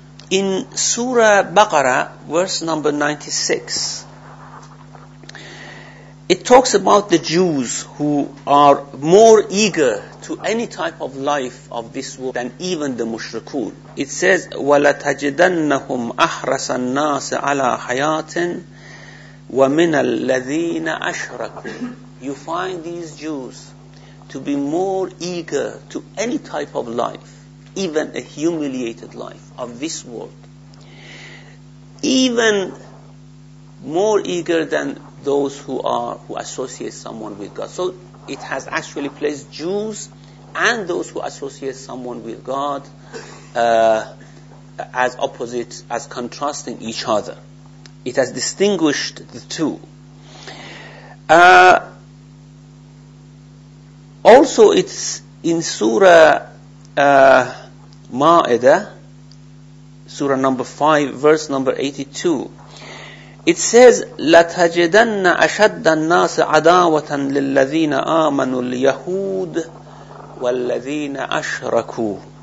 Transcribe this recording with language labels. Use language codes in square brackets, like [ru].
[en] In Surah Baqarah, verse number 96, it talks about the Jews who are more eager to any type of life of this world than even the Mushrikun. It says, [ar] وَلَتَجِدَنَّهُمْ أَحْرَسَ النَّاسِ عَلَىٰ حَيَاةٍ وَمِنَ الَّذِينَ أَشْرَكُوا. [en] You find these Jews to be more eager to any type of life, even a humiliated life of this world. Even more eager than those who associate someone with God. So it has actually placed Jews and those who associate someone with God as opposites, as contrasting each other. It has distinguished the two. Also, it's in Surah Ma'idah, Surah number 5, verse number 82. It says, [ar] لَتَجِدَنَّ أَشَدَّ النَّاسِ عَدَاوَةً لِلَّذِينَ آمَنُوا الْيَهُودِ وَالَّذِينَ أَشْرَكُوا.